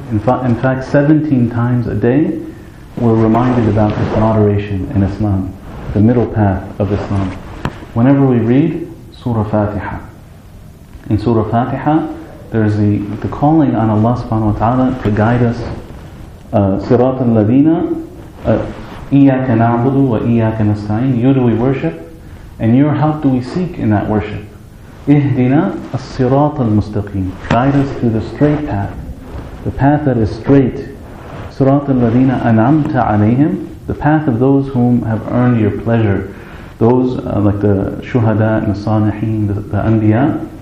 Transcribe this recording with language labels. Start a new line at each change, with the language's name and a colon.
English: In fact, 17 times a day, we're reminded about this moderation in Islam, the middle path of Islam. Whenever we read Surah Fatiha, in Surah Fatiha, there's the calling on Allah subhanahu wa ta'ala to guide us.
Arabic: Sirat al-ladina, إِيَّاكَ نَعْبُدُ وَإِيَّاكَ نَسْتَعِينَ.
English: You do we worship, and your help do we seek in that worship.
Arabic: إِهْدِنَا الصِّرَاطَ الْمُسْتَقِيمِ.
English: Guide us through the straight path, the path that is straight.
Arabic: صِرَاطَ الَّذِينَ أَنْعَمْتَ عَلَيْهِمْ.
English: The path of those whom have earned your pleasure. Those like the shuhada and the salihin, the anbiya.